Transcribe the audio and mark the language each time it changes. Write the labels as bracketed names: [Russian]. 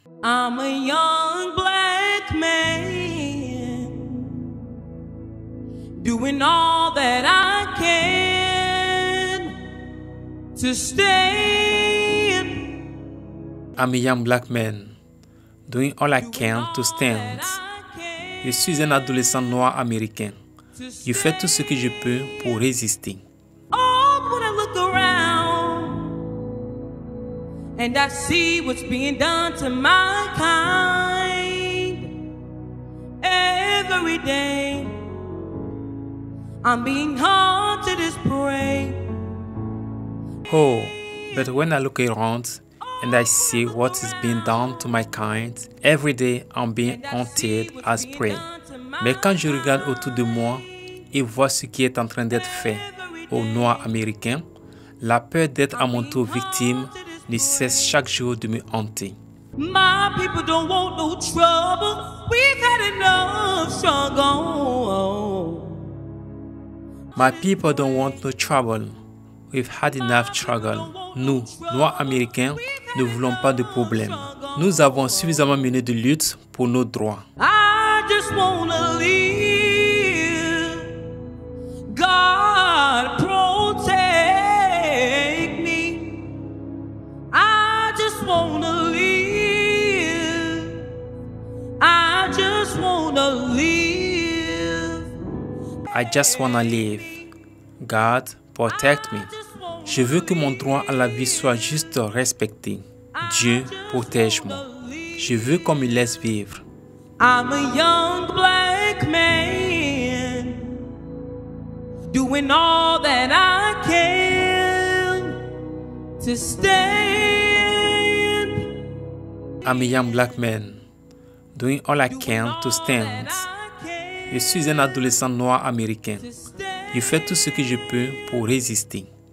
[English] I'm a young black man doing all that I can to stay. I'm a young black man doing all I can to stand. [French] Je suis un adolescent noir américain. Je fais tout ce que je peux pour résister. [English] Oh, when I look around and I see what's being done to my kind, every day I'm being haunted as prey. Oh, but when I look around and I see what is being done to my kind, every day I'm being haunted as prey. [French] Mais quand je regarde autour de moi et vois ce qui est en train d'être fait aux Noirs américains, la peur d'être à mon tour victime ne cesse chaque jour de me hanter. [English] My people don't want no trouble. We've had enough struggle. My people don't want no trouble. We've had enough struggle. [French] Nous, Noirs américains, ne voulons pas de problème. Nous avons suffisamment mené de lutte pour nos droits. [English] I just wanna live. God protect me. I just wanna live. I just wanna live. I just wanna live. God protect me. [French] Je veux que mon droit à la vie soit juste respecté. Dieu, protège-moi. Je veux qu'on me laisse vivre. [English] I'm a young black man doing all that I can to stand. I'm a young black man doing all I can to stand. [French] Je suis un adolescent noir américain. Je fais tout ce que je peux pour résister.